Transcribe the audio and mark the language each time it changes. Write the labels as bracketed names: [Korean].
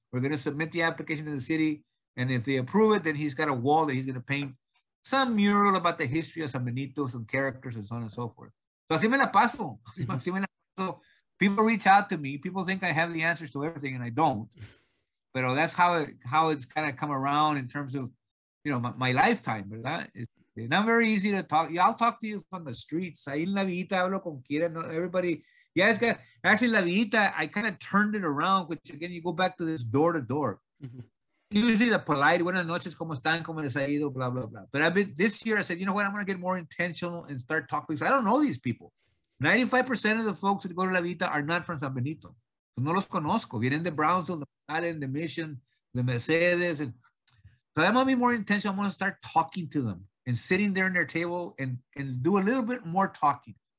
[English] We're going to submit the application to the city. And if they approve it, then he's got a wall that he's going to paint some mural about the history of San Benito, some characters and so on and so forth. So [Spanish] así me la paso. [English] Así me la paso. People reach out to me. People think I have the answers to everything, and I don't. But that's how it's kind of come around in terms of, you know, my lifetime, [Spanish] ¿verdad? [English] It's not very easy to talk. Yeah, I'll talk to you from the streets. [Spanish] Ahí en la villita hablo con quien, [English] everybody. Yeah, it's got, actually, la villita, I kind of turned it around, which, again, you go back to this door-to-door. Mm-hmm. Usually the polite, [Spanish] buenas noches, ¿cómo están? ¿Cómo les ha ido? Blah, blah, blah. [English] But I've been, this year, I said, you know what? I'm going to get more intentional and start talking. So I don't know these people. 95% of the folks that go to La Vita are not from San Benito. [Spanish] No los conozco. Vienen de Brownsville, de Allen, de Mission, de Mercedes. [English] And so I'm going to be more intentional. I'm going to start talking to them and sitting there in their table and do a little bit more talking.